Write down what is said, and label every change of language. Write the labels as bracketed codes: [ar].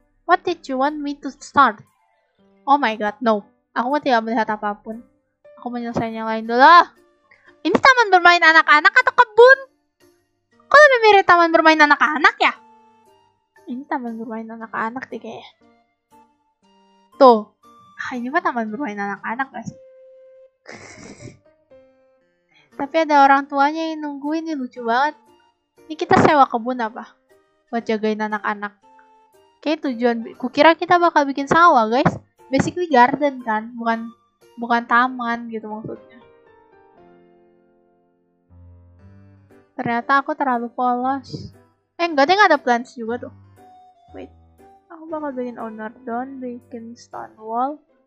[en] What did you want me to start? Oh my god, no. [id] Aku tidak melihat apapun. Aku menyelesaikan yang lain dulu. Ini taman bermain anak-anak atau kebun? Kok lebih mirip taman bermain anak-anak ya? Ini taman bermain anak-anak deh kayaknya. Tuh. Ah, ini mah taman bermain anak-anak gak sih? Tapi ada orang tuanya yang nungguin, ini lucu banget. Ini kita sewa kebun apa? Buat jagain anak-anak. Kayaknya tujuan, kukira kita bakal bikin sawah guys. Basically garden kan, bukan taman gitu maksudnya. Ternyata aku terlalu polos. Enggak deh, gak ada plants juga tuh. Wait, aku bakal bikin owner down, bikin stone wall.